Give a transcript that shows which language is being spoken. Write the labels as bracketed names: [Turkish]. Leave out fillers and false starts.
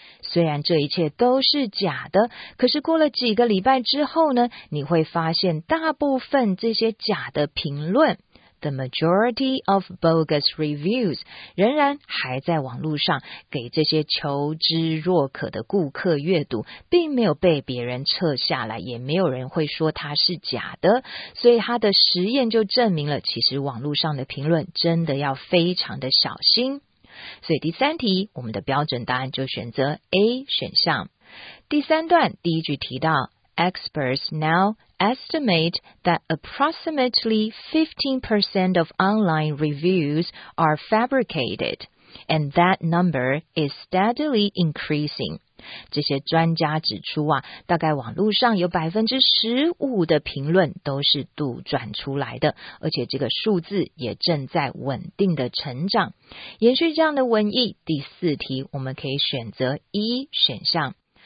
[Chinese] 虽然这一切都是假的，可是过了几个礼拜之后呢，你会发现大部分这些假的评论 [English] The majority of bogus reviews [Chinese] 仍然还在网络上给这些求知若渴的顾客阅读，并没有被别人撤下来，也没有人会说它是假的。所以他的实验就证明了，其实网络上的评论真的要非常的小心。所以第三题，我们的标准答案就选择 A 选项。第三段第一句提到 [English] ，Experts now estimate that approximately 15% of online reviews are fabricated, and that number is steadily increasing。 [Chinese] 这些专家指出啊，大概网络上有15%的评论都是杜撰出来的，而且这个数字也正在稳定的成长。延续这样的文意，第四题我们可以选择一选项。